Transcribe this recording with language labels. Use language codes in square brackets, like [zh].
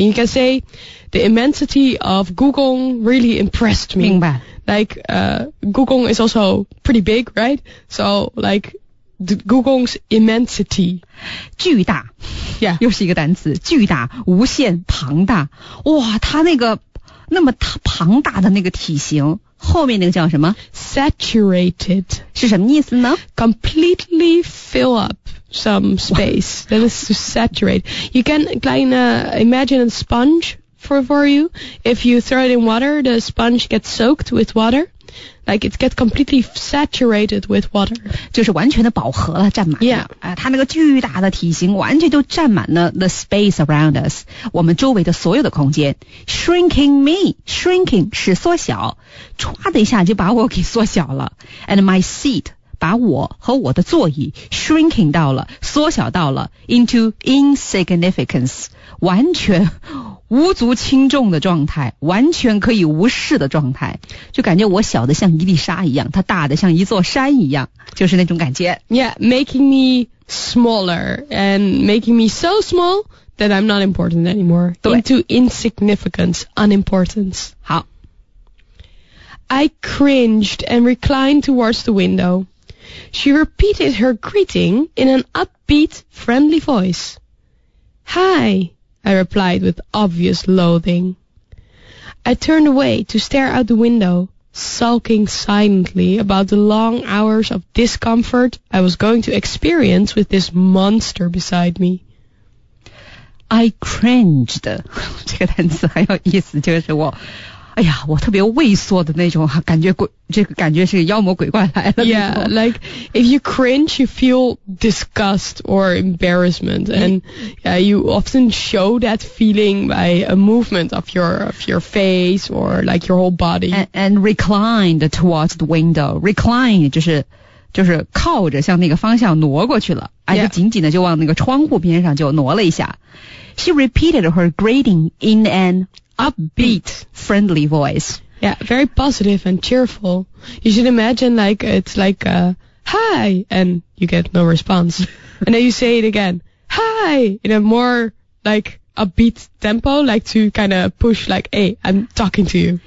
[en] You can say the immensity of Gugong really impressed me. [zh] 明白。 [en] Like Gugong is also pretty big, right? So like the Gugong's immensity, [zh] 巨大。 [en] Yeah, [zh] 又是一个单词，巨大、无限、庞大。哇，它那个。那么它庞大的那个体型后面那个叫什么 [en] saturated [zh] 是什么意思呢 [en] completely fill up some space that is to saturate you can kind of imagine a sponge for you if you throw it in water the sponge gets soaked with water like it gets completely saturated with water [zh] 就是完全的饱和了占满了、 [en] yeah. [zh] 它那个巨大的体型完全就占满了 [en] the space around us [zh] 我们周围的所有的空间 [en] shrinking me [zh] shrinking 是缩小唰的一下就把我给缩小了 [en] and my seat [zh] 把我和我的座椅 shrinking 到了缩小到了 [en] into insignificance [zh] 完全无足轻重的状态完全可以无视的状态就感觉我小的像一粒沙一样它大的像一座山一样就是那种感觉 [en] Yeah, making me smaller and making me so small that I'm not important anymore into insignificance, unimportance [zh] 好 [en] I cringed and reclined towards the window She repeated her greeting in an upbeat, friendly voice Hi I replied with obvious loathing. I turned away to stare out the window, sulking silently about the long hours of discomfort I was going to experience with this monster beside me. I cringed. [zh] 这个单词很有意思，就是我哎呀我特别畏缩的那种感觉，这个感觉是妖魔鬼怪来了。 [en] Yeah, like if you cringe, you feel disgust or embarrassment, and yeah, you often show that feeling by a movement of your face or like your whole body. And reclined towards the window. [zh] Recline 就是靠着向那个方向挪过去了，而且紧紧的就往那个窗户边上就挪了一下。 [en] She repeated her greeting in an upbeat, friendly voice. Yeah, very positive and cheerful. You should imagine like, it's like, hi, and you get no response. And then you say it again, hi, in a more like upbeat tempo, like to kind of push like, hey, I'm talking to you.